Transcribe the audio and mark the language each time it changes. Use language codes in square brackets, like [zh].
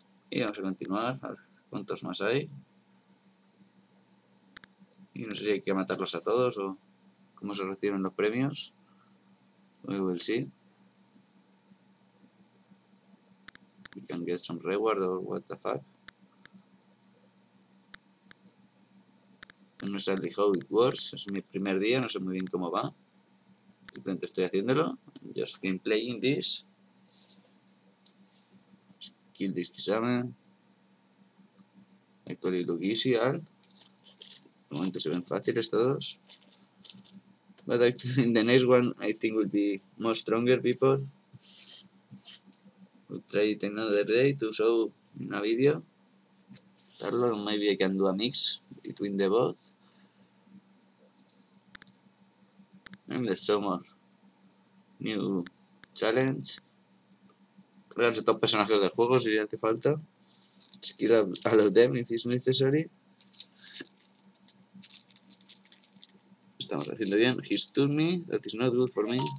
[es] Y vamos a continuar, a ver cuántos más hay. Y no sé si hay que matarlos a todos o cómo se reciben los premios. [en] We will see. We can get some reward or what the fuck. [es] No sé [en] how it works, [es] es mi primer día, no sé muy bien cómo va. Simplemente estoy haciéndolo. [en] Just game playing this. Kill this Kisame. Actually look easy all. [es] De momento se ven fáciles todos. [en] But actually, in the next one I think will be more stronger people. We'll try it another day to show in a video. Tarlo, maybe I can do a mix between the both. And let's show more new challenge. [es] Créanse todos personajes del juego si hace falta. [en] Let's kill all of them if it's necessary. [es] Estamos haciendo bien. [en] He's told me that is not good for me.